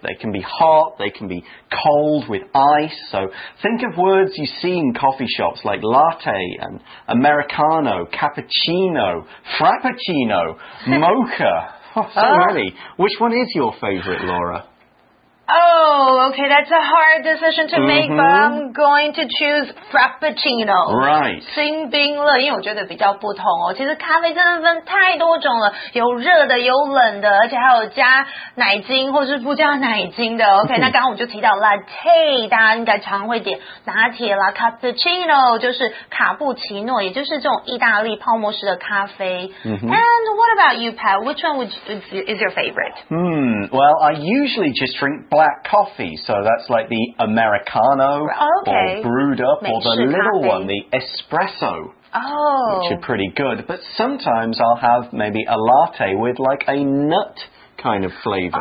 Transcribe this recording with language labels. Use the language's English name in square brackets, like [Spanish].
[English] They can be hot, they can be cold with ice. So think of words you see in coffee shops like latte and Americano, cappuccino, frappuccino, mocha. Oh, so many. Which one is your favorite, Laura? Oh, okay, that's a hard decision to make, but I'm going to choose Frappuccino. Right. [Chinese] 新冰乐, 因为我觉得比较不同哦, 其实咖啡真的分太多种了, 有热的, 有冷的, 而且还有加奶精, 或是不加奶精的, okay, 那刚刚我就提到latte, 大家应该常会点, 拿铁啦, Cappuccino, 就是卡布奇诺, 也就是这种意大利泡沫式的咖啡。 [English] And what about you, Pat? Which one is your favorite? Well, I usually just drink black coffee, so that's like the Americano, okay, or brewed up, or the little one, the espresso, which are pretty good. But sometimes I'll have maybe a latte with like a nut kind of flavor.